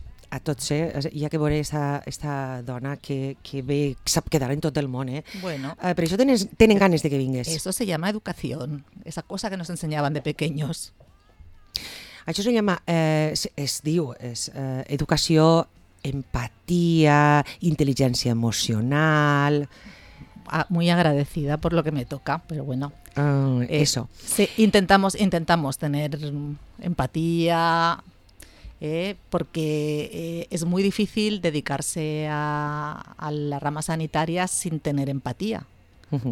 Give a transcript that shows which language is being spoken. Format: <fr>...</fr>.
<ca>A tots, hi ha que veure aquesta dona que ve, sap quedar en tot el món. Bueno. Per això tenen ganes de que vingués.</ca> <es>Eso se llama educación, esa cosa que nos enseñaban de pequeños.</es> <ca>Això</ca> <es>se llama,</es> <ca>es diu, educació, empatia, intel·ligència emocional...</ca> <es>Muy agradecida por lo que me toca, pero bueno. Eso. Sí, intentamos tener empatía, porque es muy difícil dedicarse a la rama sanitaria sin tener empatía. Uh-huh.</es>